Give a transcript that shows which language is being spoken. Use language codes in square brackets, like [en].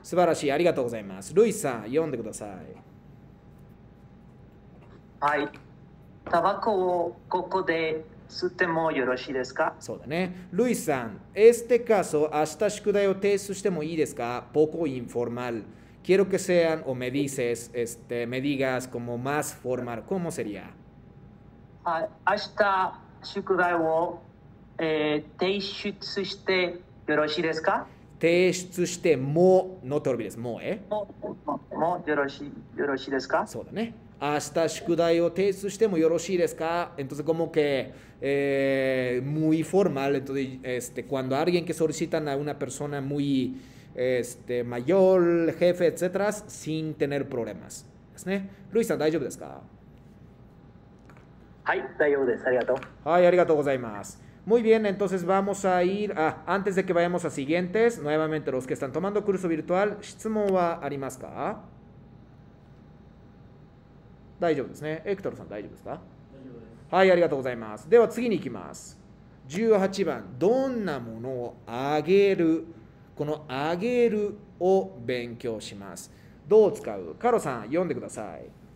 [ja] 素晴らしい、ありがとうございます。ルイさん、読んでください。はい、タバコをここで吸ってもよろしいですか？そうだね。ルイさん、 [es] este caso, [ja] 明日宿題を提出してもいいですか？ [es] Poco informal. Quiero que sean, o me dices, me digas como más formal. ¿Cómo sería? [ja] はい、明日宿題を提出してよろしいですか？提出して、も、 [es] no te olvides, [ja] も、え。もよろしいですか？そうだね。明日宿題を提出してもよろしいですか？ [es] Entonces, como que muy formal. Entonces, cuando alguien que solicitan a una persona muy mayor, jefe, etcétera, sin tener problemas. Luis, ¿está bien? [ja] はい、大丈夫です。ありがとう。 Ay, arigato gozaimasu. [es] Muy bien, entonces vamos a ir a, antes de que vayamos a siguientes, nuevamente los que están tomando curso virtual, [ja] ¿shitsumon wa arimasu ka? ¿Daijoubu desu ne? Héctor san, ¿daijoubu desu ka? Hai, arigato gozaimasu. Deba tsugi ni ikimasu. 18番、どんなものをあげる、このあげるを勉強します。どう使う？カロさん、読んでください。